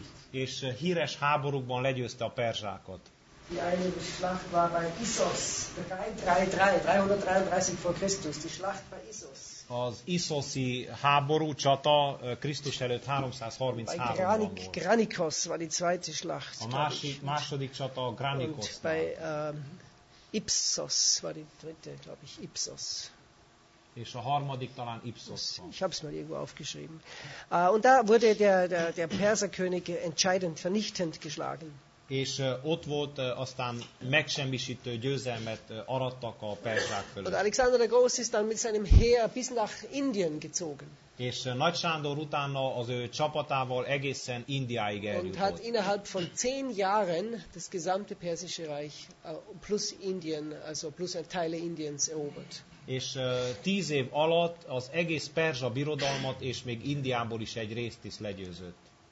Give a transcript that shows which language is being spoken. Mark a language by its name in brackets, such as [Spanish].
[Hungarian] És híres háborúkban legyőzte a perzsákat. [German] Die eine Schlacht war bei Issos, 333 vor Christus, die Schlacht bei Issos. [Hungarian] Az Issoszi háború csata Krisztus előtt 333-ban volt. [German] Granik, Granikos war die zweite Schlacht. [Hungarian] A második csata Granikos. [German] Und bei Ipsos war die dritte, glaube ich, Ipsos. [Hungarian] És a harmadik talán Ipsos. [German] Ich habe es mal irgendwo aufgeschrieben. Und da wurde der Perserkönig entscheidend vernichtend geschlagen. [Hungarian] És ott volt, aztán megsemmisítő győzelmet arattak a perzsák fölött. [German] Alexander der Große ist dann mit seinem Heer bis nach Indien gezogen. [Hungarian] És Nagy Sándor utána az ő csapatával egészen Indiáig eljutott. [German] Und hat innerhalb von 10 Jahren das gesamte persische Reich plus Indien, also plus Teile Indiens erobert. [Hungarian] És 10 év alatt az egész perzsa birodalmat és még Indiából is egy részt is legyőzött.